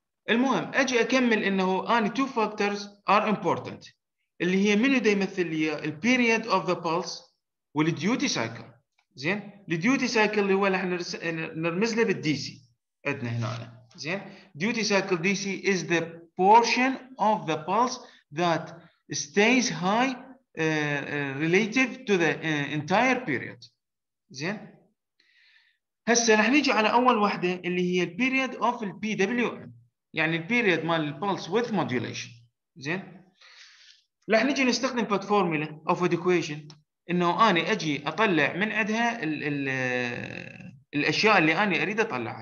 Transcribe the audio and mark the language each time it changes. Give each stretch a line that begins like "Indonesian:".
Arabic: المهم أجي أكمل إنه أني
English: two factors are important.
Arabic: اللي هي منو دا يمثل لي الـ
English: period of the pulse
Arabic: والـ duty cycle. زين؟ الـ duty cycle اللي هو احنا نرمز له بالـ DC. عندنا هنا. زين؟
English: duty cycle DC is the portion of the pulse that stays high relative to the entire period.
Arabic: زين؟ هسه رح نيجي على أول واحدة اللي هي الـ
English: period of
Arabic: الـ PWM. يعني الـ period مال الـ pulse width modulation. زين؟ رح نيجي نستخدم فد فورمولا أو فد equation إنه أنا أجي أطلع من عندها الـ الـ الأشياء اللي أنا أريد أطلعها.